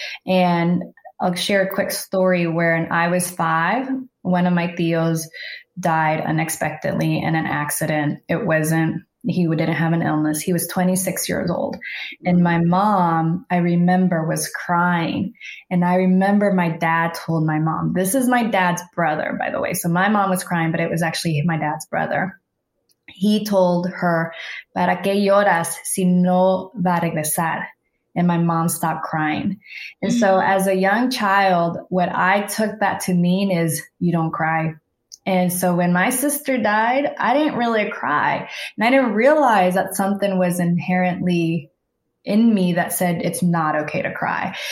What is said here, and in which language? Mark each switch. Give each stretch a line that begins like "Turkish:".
English: And I'll share a quick story where when I was 5, one of my theos died unexpectedly in an accident. He didn't have an illness. He was 26 years old. And my mom, I remember, was crying. And I remember my dad told my mom, this is my dad's brother, by the way. So my mom was crying, but it was actually my dad's brother.
Spanish: He told her, ¿Para qué lloras si no va a regresar?
English: And my mom stopped crying. And so as a young child, what I took that to mean is you don't cry. And so when my sister died, I didn't really cry. And I didn't realize that something was inherently in me that said it's not okay to cry.